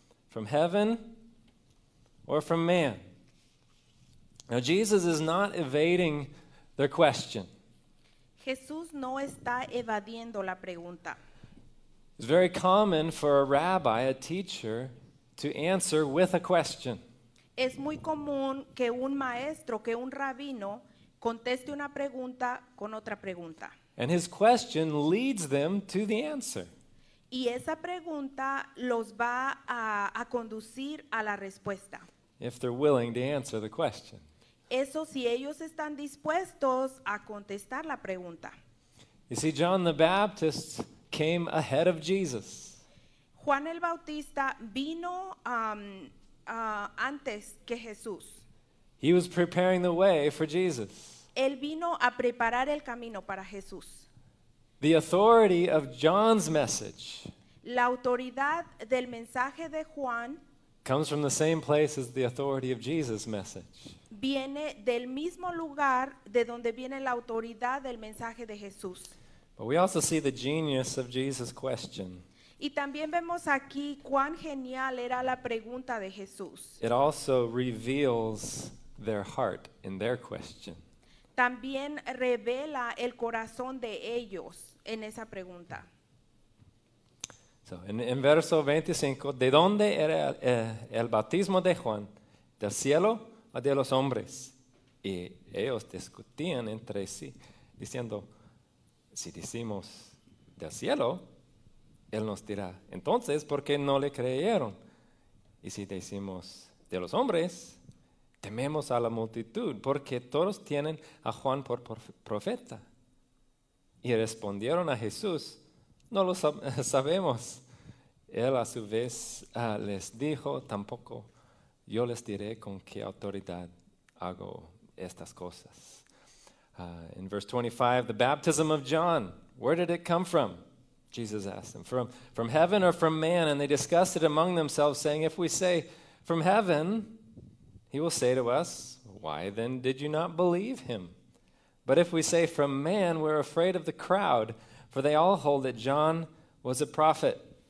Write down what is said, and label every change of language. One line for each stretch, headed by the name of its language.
English: From heaven or from man? Now, Jesus is not evading their question.
Spanish: Jesús no está evadiendo la pregunta.
English: It's very common for a rabbi, a teacher, to answer with a question.
Spanish: Es muy común que un maestro, que un rabino, conteste una pregunta con otra pregunta.
English: And his question leads them to the answer.
Spanish: Y esa pregunta los va a conducir a la respuesta.
English: If they're willing to answer the question.
Spanish: Eso si ellos están dispuestos a contestar la pregunta.
English: You see, John the Baptist came ahead of Jesus.
Spanish: Juan el Bautista vino antes que Jesús.
English: He was preparing the way for Jesus.
Spanish: Él vino a preparar el camino para Jesús.
English: The authority of John's message.
Spanish: La autoridad del mensaje de Juan
English: comes from the same place as the authority of Jesus' message.
Spanish: Viene del mismo lugar de donde viene la autoridad del mensaje de Jesús.
English: But we also see the genius of Jesus' question.
Spanish: Y también vemos aquí cuán genial era la pregunta de Jesús.
English: It also reveals their heart in their question.
Spanish: También revela el corazón de ellos en esa pregunta. So, en verso 25, ¿de dónde era el bautismo de Juan? ¿Del cielo o de los hombres? Y ellos discutían entre sí, diciendo, si decimos del cielo, él nos dirá, entonces, ¿por qué no le creyeron? Y si decimos de los hombres, tememos a la multitud, porque todos tienen a Juan por profeta. Y respondieron a Jesús, no lo sabemos. Él a su vez les dijo, tampoco yo les diré con qué autoridad hago estas cosas.
English: In verse 25, the baptism of John, where did it come from? Jesus asked them, from heaven or from man? And they discussed it among themselves, saying, if we say from heaven, he will say to us, why then did you not believe him? But if we say from man, we're afraid of the crowd, for they all hold that John was a prophet.